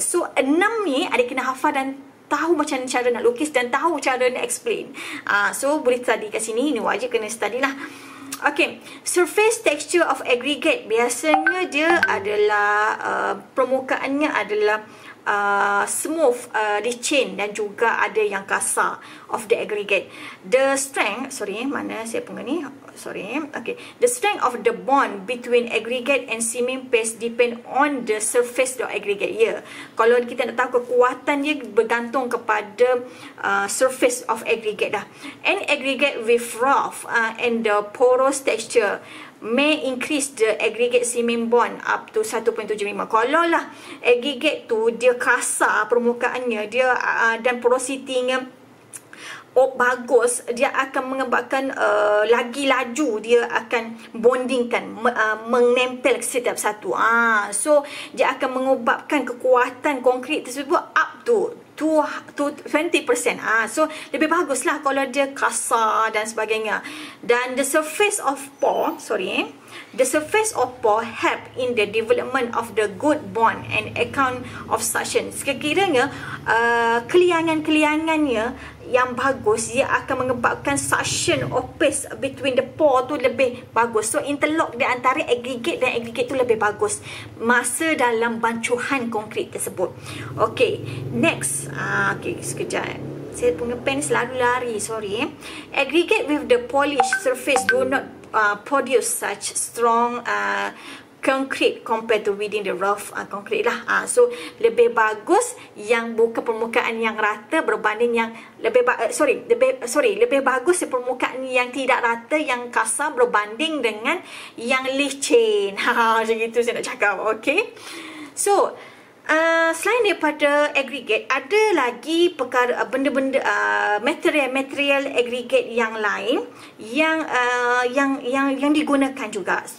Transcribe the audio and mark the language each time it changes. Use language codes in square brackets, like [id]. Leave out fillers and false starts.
[ms] So, enam ni ada kena hafal dan tahu macam cara nak lukis dan tahu cara nak explain. So, boleh study kat sini. Ni wajib kena study lah. Okay, [en] surface texture of aggregate [ms] biasanya dia adalah permukaannya adalah smooth, licin dan juga ada yang kasar [en] of the aggregate. The strength, the strength of the bond between aggregate and cement paste depend on the surface of aggregate. [ms] Ya, kalau kita nak tahu kekuatan dia bergantung kepada [en] surface of aggregate [ms] dah. [en] And aggregate with rough and the porous texture may increase the aggregate cement bond up to 1.75. [ms] Kalau lah aggregate tu dia kasar permukaannya dia dan porositinya bagus, dia akan mengembangkan lagi laju dia akan bondingkan, menempel setiap satu. So dia akan mengubahkan kekuatan konkrit tersebut [en] up to 20%. [ms] So lebih baguslah kalau dia kasar dan sebagainya. [en] Dan the surface of pore, the surface of pore help in the development of the good bond and account of suction. [ms] Sekiranya keliangan-keliangannya yang bagus, dia akan mengebabkan [en] suction of paste between the pore [ms] tu lebih bagus. So interlock di antara aggregate dan aggregate tu lebih bagus masa dalam bancuhan konkrit tersebut. [en] Okay, next. Okay, [ms] sekejap. Saya punya pen selalu lari, [en] aggregate with the polished surface do not produce such strong concrete compared to within the rough concrete lah. [ms] So lebih bagus yang bukan permukaan yang rata berbanding yang lebih lebih bagus permukaan yang tidak rata yang kasar berbanding dengan yang licin. Macam itu saya nak cakap. Okay, so selain daripada aggregate, ada lagi perkara benda-benda material-material aggregate yang lain yang yang digunakan juga.